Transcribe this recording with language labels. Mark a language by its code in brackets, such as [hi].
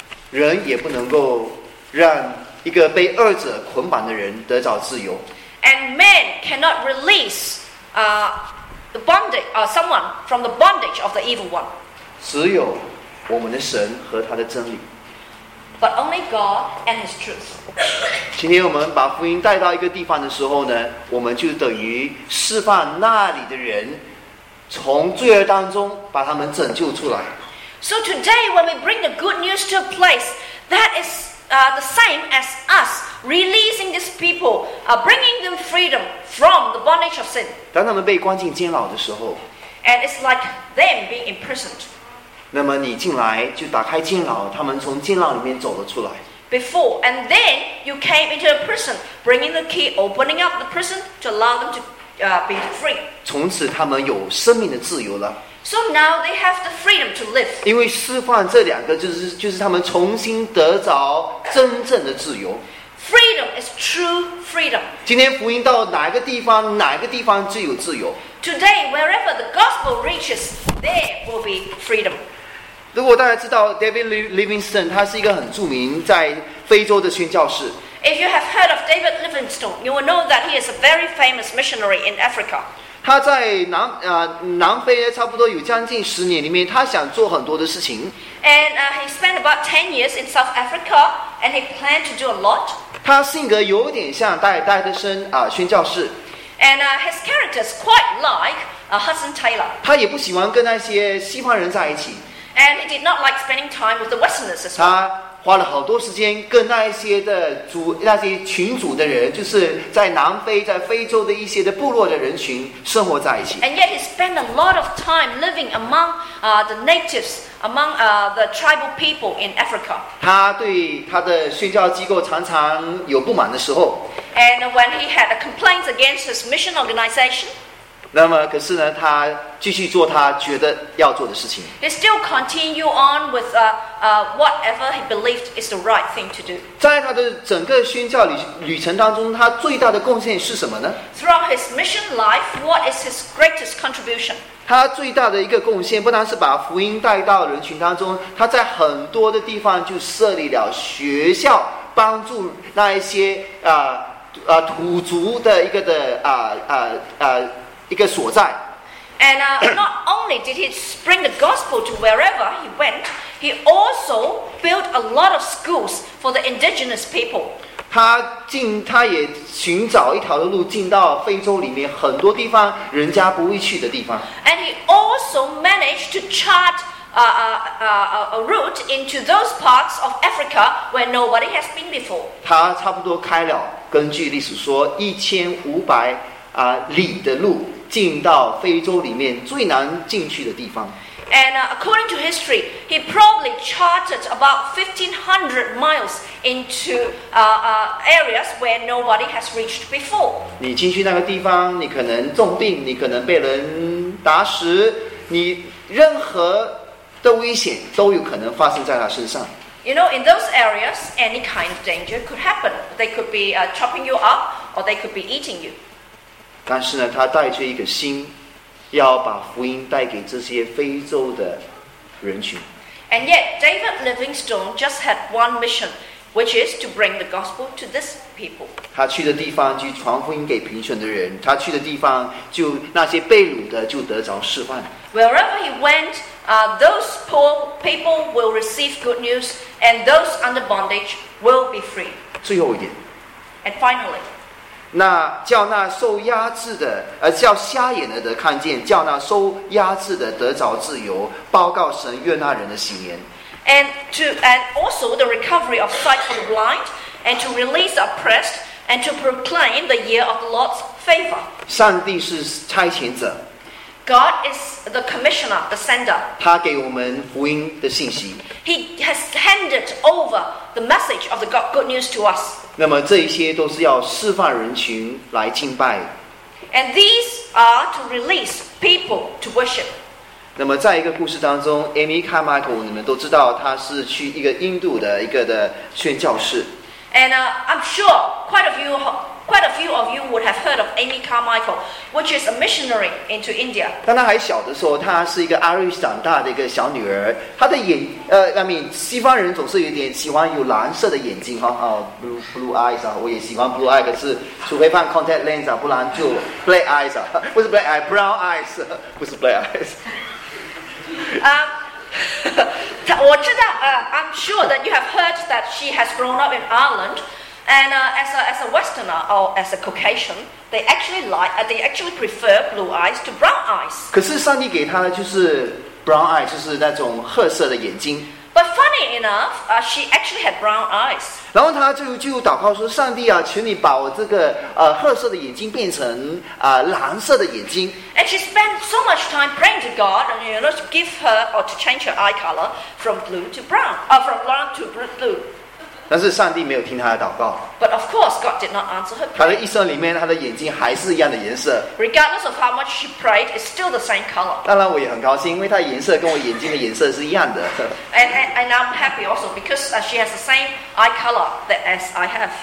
[zh] 人也不能够让一个被掳者捆绑的人得着自由。 [en] And man cannot release the bondage someone from the bondage of the evil one. [zh] 只有我们的神和他的真理。 [en] But only God and His truth. [zh] 今天我们把福音带到一个地方的时候呢，我们就等于释放那里的人从罪恶当中把他们拯救出来。 [en] So today, when we bring the good news to a place, that is the same as us releasing these people, bringing them freedom from the bondage of sin. [zh] 当他们被关进监牢的时候 [en] ，and it's like them being imprisoned. [zh] 那么你进来就打开监牢，他们从监牢里面走了出来。 [en] Before and then you came into a prison, bringing the key, opening up the prison to allow them to be free. [zh] 从此他们有生命的自由了。 [en] So now they have the freedom to live. [zh] 因为释放这两个就是他们重新得着真正的自由。 [en] Freedom is true freedom. [zh] 今天福音到哪个地方，哪个地方就有自由。 [en] Today, wherever the gospel reaches, there will be freedom. [zh] 如果大家知道 David Livingstone, 他是一个很著名在非洲的宣教士。 [en] If you have heard of David Livingstone, you will know that he is a very famous missionary in Africa. [zh] 他在南非差不多有将近十年里面，他想做很多的事情。 [en] And he spent about 10 years in South Africa, and he planned to do a lot. [zh] 他性格有点像戴德森宣教士。 [en] And his character is quite like Hudson Taylor. [zh] 他也不喜欢跟那些西方人在一起。 [en] And he did not like spending time with the Westerners as well. [zh] 花了好多时间跟那些群组的人，就是在南非、在非洲的一些的部落的人群生活在一起。 [en] And yet he spent a lot of time living among the natives, among the tribal people in Africa. [zh] 他对他的宣教机构常常有不满的时候。 [en] And when he had a complaint against his mission organization. [zh] 那么可是呢，他继续做他觉得要做的事情。 [en] He still continue on with whatever he believed is the right thing to do. [zh] 在他的整个宣教旅程当中，他最大的贡献是什么呢？ [en] Throughout his mission life, what is his greatest contribution? [zh] 他最大的一个贡献不单是把福音带到人群当中，他在很多的地方就设立了学校，帮助那一些土族的一个的一个所在。 [en] And not only did he bring the gospel to wherever he went, he also built a lot of schools for the indigenous people. [zh] 他也寻找一条的路进到非洲里面很多地方人家不会去的地方。 [en] And he also managed to chart a route into those parts of Africa where nobody has been before. [zh] 他差不多开了，根据历史说1500里的路进到非洲里面最难进去的地方。 [en] And according to history, he probably charted about 1,500 miles into areas where nobody has reached before. [zh] 你进去那个地方，你可能重病，你可能被人打死，你任何的危险都有可能发生在他身上。 [en] You know, in those areas, any kind of danger could happen. They could be chopping you up, or they could be eating you. [zh] 但是呢，他带着一个心。要把福音带给这些非洲的人群。 [en] And yet, David Livingstone just had one mission, which is to bring the gospel to this people. [zh] 他去的地方就传福音给贫穷的人，他去的地方就那些被掳的就得着释放。 [en] Wherever he went, those poor people will receive good news, and those under bondage will be free. [zh] 最后一点。 [en] And finally. [zh] 那叫那受压制的，叫瞎眼的得看见，叫那受压制的得着自由，报告神悦纳人的喜言。 [en] And to and also the recovery of sight for the blind, and to release oppressed, and to proclaim the year of the Lord's favor. [zh] 上帝是差遣者。 [en] God is the commissioner, the sender. [zh] 他给我们福音的信息。 [en] He has handed over the message of the good news to us. [zh] 那么这些都是要释放人群来敬拜。 [en] And these are to release people to worship. [zh] 那么在一个故事当中 ，Amy Carmichael， 你们都知道，他是去一个印度的一个的宣教士。 [en] And I'm sure quite a few of you would have heard of Amy Carmichael, which is a missionary into India. [zh] 当她还小的时候，她是一个 Irish 长大的一个小女儿。她的眼，西方人总是有点喜欢有蓝色的眼睛， [en] blue eyes [zh] 啊，我也喜欢 [en] blue eyes， [zh] 可是除非放 [en] contact lens [zh] 啊，不然就 [en] black eyes [zh] 啊，不是 [en] black eyes， brown eyes， [zh] 不是 [en] black eyes。 [zh] 我知道 [en] I'm sure that you have heard that she has grown up in Ireland, and as a Westerner or as a Caucasian, they actually prefer blue eyes to brown eyes. [zh] 可是上帝给她的就是 [en] brown eyes， [zh] 就是那种褐色的眼睛。 [en] But funny enough, she actually had brown eyes. [zh] 然后她就祷告说：“上帝啊，请你把我这个褐色的眼睛变成蓝色的眼睛。” [en] And she spent so much time praying to God, and you know, to give her or to change her eye color from blue to brown, from brown to blue. [zh] 但是上帝没有听她的祷告。 [en] But of course, God did not answer her prayer. [zh] 她的一生里面，她的眼睛还是一样的颜色。 [en] Regardless of how much she prayed, it's still the same color. [zh] 当然，我也很高兴，因为她颜色跟我眼睛的颜色是一样的。 [en] And I'm happy also because she has the same eye color that as I have.